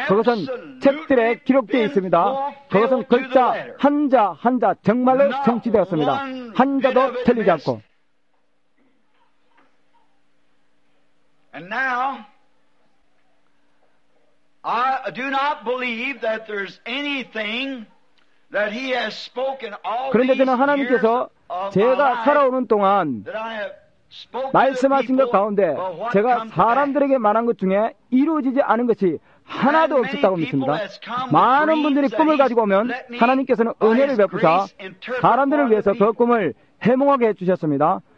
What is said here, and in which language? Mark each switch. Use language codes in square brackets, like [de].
[ko] 그것은 책들에 기록되어 있습니다. 그것은 글자 한자 한자 정말로 성취되었습니다. 한자도 틀리지 않고. [en] And now I do not believe that there's anything that he has spoken all these years. [ko] 그런데 저는 하나님께서 제가 살아오는 동안 말씀하신 것 가운데 제가 사람들에게 말한 것 중에 이루어지지 않은 것이 하나도 없었다고 믿습니다. 많은 분들이 꿈을 가지고 오면 하나님께서는 은혜를 베푸사 사람들을 위해서 그 꿈을 해몽하게 해주셨습니다.